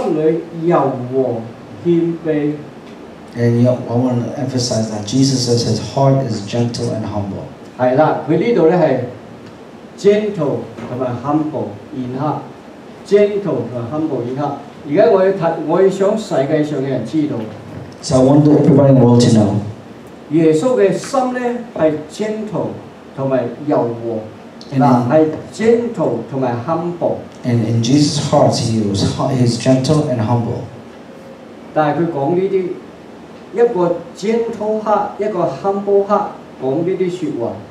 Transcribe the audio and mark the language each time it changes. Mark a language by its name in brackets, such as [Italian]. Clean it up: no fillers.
[Cantonese] 我而家系想你知道，耶稣话佢嘅心里柔和谦卑。 [English] And yet, I want to emphasize that Jesus says his heart is gentle and humble. [Cantonese] 系啦，佢呢度咧系 gentle 同埋 humble， 然后 gentle 同埋 humble， 然后。而家我要想世界上嘅人知道。 [English] So I want everybody in the world to know. [Cantonese] 耶穌嘅心咧係 gentle 同埋柔和，嗱係 gentle 同埋 humble。 [English] And in Jesus' heart, he is gentle and humble. [Cantonese] 但係佢講呢啲，一個 gentle heart， 一個 humble heart， 講呢啲説話。